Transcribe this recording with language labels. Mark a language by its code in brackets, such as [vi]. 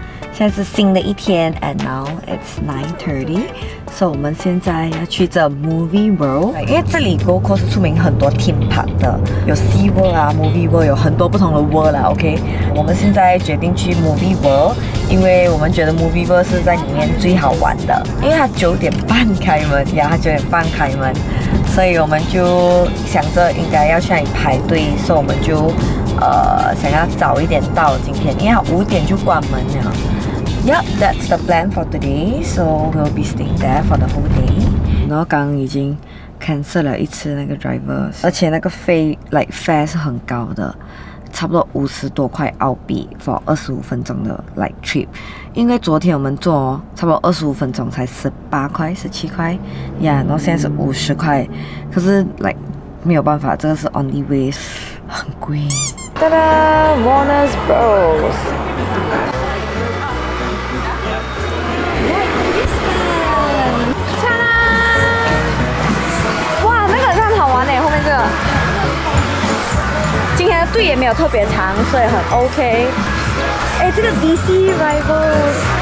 [zh] 现在是新的一天 ， [en] and now it's 9:30， [zh] 所以我们现在要去这 Movie World， 因为这里 Gold Coast 出名很多 theme park 的，有 Sea World 啊 ，Movie World 有很多不同的 world 啦 ，OK， 我们现在决定去 Movie World， 因为我们觉得 Movie World 是在里面最好玩的，因为它9:30开门呀，它9:30开门，所以我们就想着应该要去那里排队，所以我们就。想要早一点到今天，因为5:00就关门了。 [en] Yep, that's the plan for today. So we'll be staying there for the whole day. [zh] 然后刚已经 cancel 了一次那个 driver， 而且那个费 like fare 是很高的，差不多50多块澳币 for 25分钟的 like trip。因为昨天我们坐、差不多25分钟才18块、17块 ，Yeah， 然后现在是50块，可是 like 没有办法，这个是 only way。很贵。哒哒 ，Warner's Bros. 哒啦！哇，那个很好玩嘞，后面这个。今天的队也没有特别长，所以很 OK。哎，这个 DC Rivals。